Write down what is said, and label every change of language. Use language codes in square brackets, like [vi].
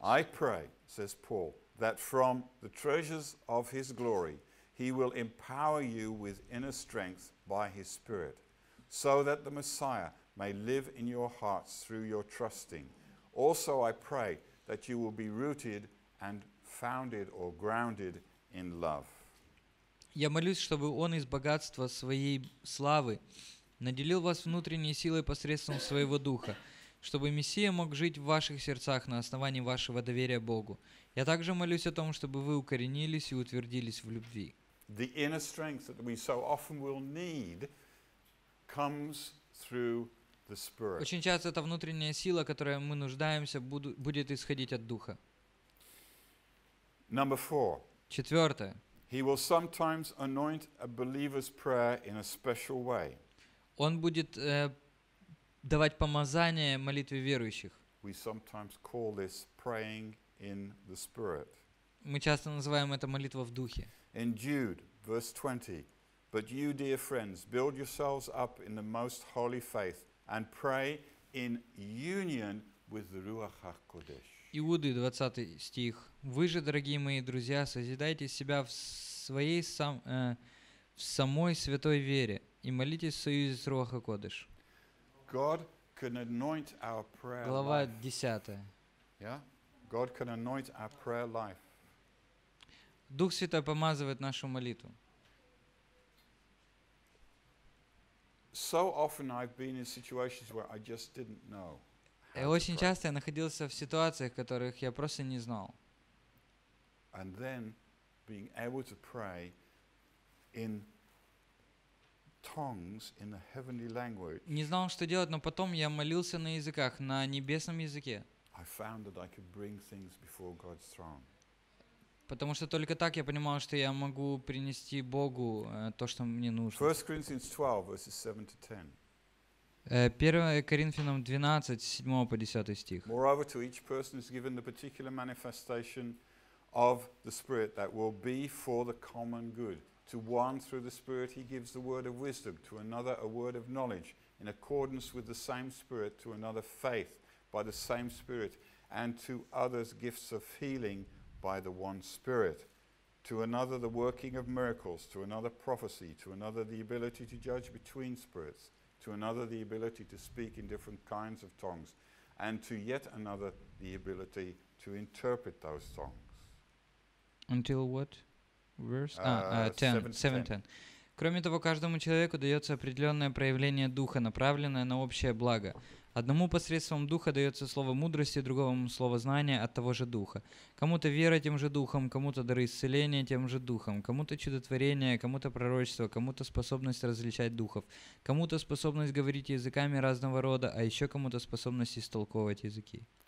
[en] I pray, says Paul, that from the treasures of his glory he will empower you with inner strength by his Spirit, so that the Messiah may live in your hearts through your trusting. Also I pray that you will be rooted and founded or grounded in love. [ru] Я молюсь, чтобы Он из богатства Своей славы наделил вас внутренней силой посредством Своего Духа, чтобы Мессия мог жить в ваших сердцах на основании вашего доверия Богу. Я также молюсь о том, чтобы вы укоренились и утвердились в любви. [en] The inner strength that we so often will need comes through the Spirit. [ru] Очень часто эта внутренняя сила, которой мы нуждаемся, будет исходить от Духа. [en] Number four. [ru] Четвертое. [en] He will sometimes anoint a believer's prayer in a special way. [ru] Он будет давать помазание молитве верующих. [en] We sometimes call this praying in the Spirit. [ru] Мы часто называем это молитва в духе. [en] In Jude, verse 20, but you, dear friends, build yourselves up in the most holy faith and pray in union with the Ruach HaKodesh. [ru] Иуды, 20 стих. Вы же, дорогие мои друзья, созидайте себя в своей в самой святой вере и молитесь в союзе с Руаха Кодыш. [en] God can anoint our prayer life. [ru] Глава 10. [en] Yeah? God can anoint our prayer life. [ru] Дух Святой помазывает нашу молитву. [en] So often I've been in situations where I just didn't know. [ru] И очень часто я находился в ситуациях, которых я просто не знал. [en] And then being able to pray in tongues in the heavenly language. [ru] Не знал, что делать, но потом я молился на языках, на небесном языке. [en] I found that I could bring things before God's throne. [ru] Потому что только так я понимал, что я могу принести Богу то, что мне нужно. [en] 1 Corinthians 12, verses 7 to 10. [ru] 1 Коринфянам 12, 7 по 10 стих. [en] Moreover, to each person is given the particular manifestation of the Spirit that will be for the common good. To one through the Spirit he gives the word of wisdom, to another a word of knowledge, in accordance with the same Spirit, to another faith by the same Spirit, and to others gifts of healing by the one Spirit. To another the working of miracles, to another prophecy, to another the ability to judge between spirits, to another the ability to speak in different kinds of tongues, and to yet another the ability to interpret those tongues. Until what verse? 7:10. [ru] Кроме того, каждому человеку дается определенное проявление Духа, направленное на общее благо. Одному посредством Духа дается слово мудрости, другому слово знания от того же Духа. Кому-то вера тем же Духом, кому-то дары исцеления тем же Духом, кому-то чудотворение, кому-то пророчество, кому-то способность различать духов, кому-то способность говорить языками разного рода, а еще кому-то способность истолковывать языки.